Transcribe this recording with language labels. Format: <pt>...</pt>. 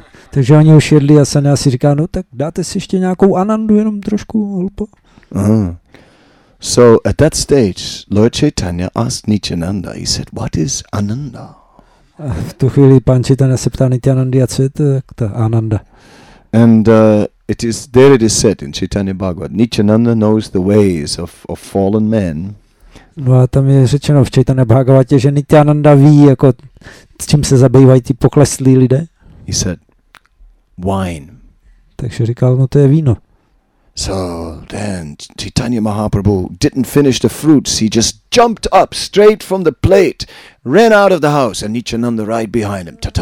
<cs>Takže oni už jedli a sannyasi říká, no tak dáte si ještě nějakou anandu, jenom trošku, albo.</cs> <en>So at that stage, Lord Chaitanya asked Nityananda, he said, what is ananda?</en> <cs>A v tu chvíli pan Chaitanya se ptá Nityanandy, a co je to, jak to ananda?</cs> <en>And it is said in Chaitanya Bhagavad, Nityananda knows the ways of fallen men.</en> <cs>No a tam je řečeno v Chaitanya Bhagavatě, že Nityananda ví, jako, s čím se zabývají ty pokleslí lidé.</cs> <en>He said, wine.</en> <cs>Takže říkal, no to je víno.</cs> <en>So then Chaitanya Mahaprabhu didn't finish the fruits, he just jumped up straight from the plate, ran out of the house, and Nityananda right behind him.</en>